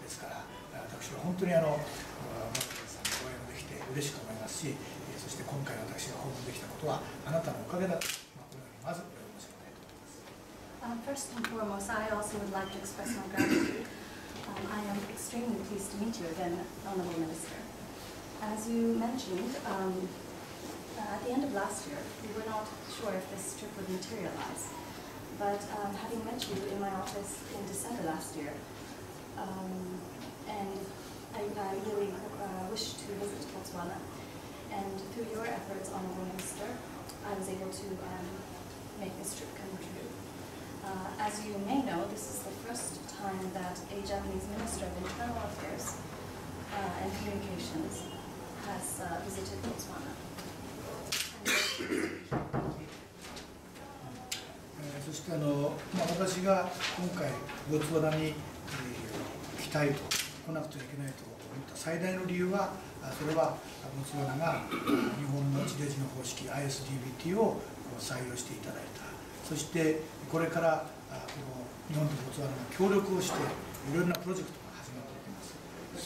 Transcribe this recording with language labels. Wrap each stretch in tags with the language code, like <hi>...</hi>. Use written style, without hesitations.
<ja>ですから私は本当にモレフィさんに応援できて嬉しく思いますし、そして今回私が訪問できたことはあなたのおかげだと、このようにまず申し上げたいと思います。</ja> <en>First and foremost, I also would like to express my gratitude. I am extremely pleased to meet you again, Honorable Minister. As you mentioned, at the end of last year, we were not sure if this trip would materialize. But having met you in my office in December last year, and I really wish to visit Botswana, and through your efforts, Honorable Minister, I was able to make this trip come true. As you may know, this is the first time that a Japanese Minister of Internal Affairs and Communications has visited Botswana.</en> <ja>そして私が今回ボツワナに来たいと、来なくてはいけないと思った最大の理由は、それはボツワナが日本の地デジの方式 ISDBT を採用していただいた、そしてこれからこの日本とボツワナが協力をしていろんなプロジェクトが始まっています。</ja>